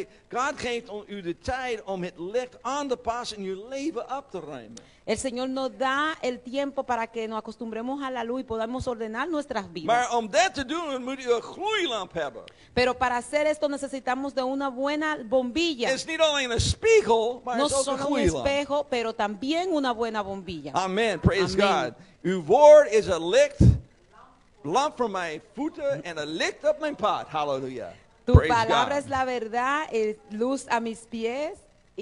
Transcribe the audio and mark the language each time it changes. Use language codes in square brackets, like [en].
[nl] God geeft u de tijd om het licht aan te passen en je leven op te ruimen. [es] El Señor nos da el tiempo para que nos acostumbremos a la luz y podamos ordenar nuestras vidas. [nl] Maar om dat te doen moet u een gloeilamp hebben. [es] Pero para hacer esto necesitamos de una buena bombilla. [nl] Es niet alleen een spiegel, maar [es] no [nl] het is ook een gloeilamp. [es] Un espejo, pero también una buena bombilla. [en] Amen. Praise Amen. God. [nl] Uw woord is een licht, lamp voor mijn voeten en een licht op mijn pad. Halleluja. [es] Tu palabra es la verdad, es luz a mis pies y